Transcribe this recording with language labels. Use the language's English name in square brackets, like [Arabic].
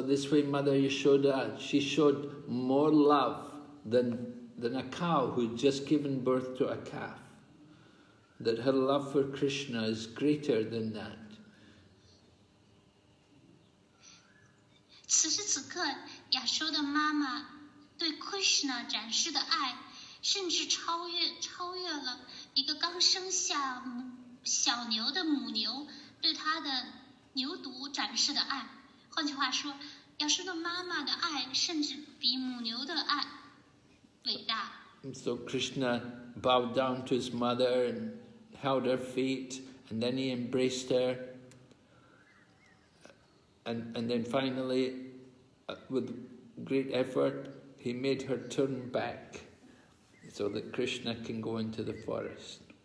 [English] this way, Mother Yashoda, she showed more love than a cow who had just given birth to a calf, that her love for Krishna is greater than that. [Chinese] 此时此刻，亚瑟的妈妈对Krishna展示的爱，甚至超越了一个刚生下小牛的母牛对她的牛犊展示的爱。换句话说，亚瑟的妈妈的爱甚至比母牛的爱。 [English] So Krishna bowed down to his mother and held her feet, and then he embraced her, and then finally, with great effort, he made her turn back so that Krishna can go into the forest.